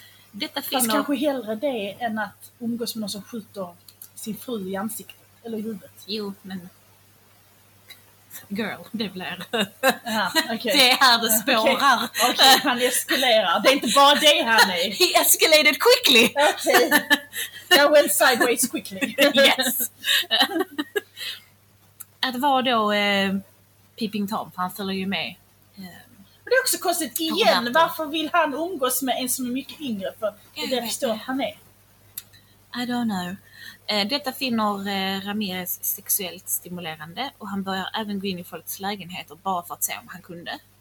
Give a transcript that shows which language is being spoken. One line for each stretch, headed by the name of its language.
Swedish: Detta finner... Fast kanske hellre det än att umgås med någon som skjuter sin fru i ansiktet eller i huvudet. Jo, men girl, det blir okay. Det är här det spårar. Okej, okay. Han eskalerar. Det är inte bara det här, nej.
English: He escalated quickly. Okej, okay. I went sideways quickly. Yes.
Swedish: Att vara då peeping tom, för han följer ju med. Det är också konstigt igen, varför vill han umgås med en som är mycket yngre? För det förstår han är.
English: I don't know.
Swedish: Detta finner Ramirez sexuellt stimulerande och han börjar även gå in i folks lägenheter bara för att se om han kunde.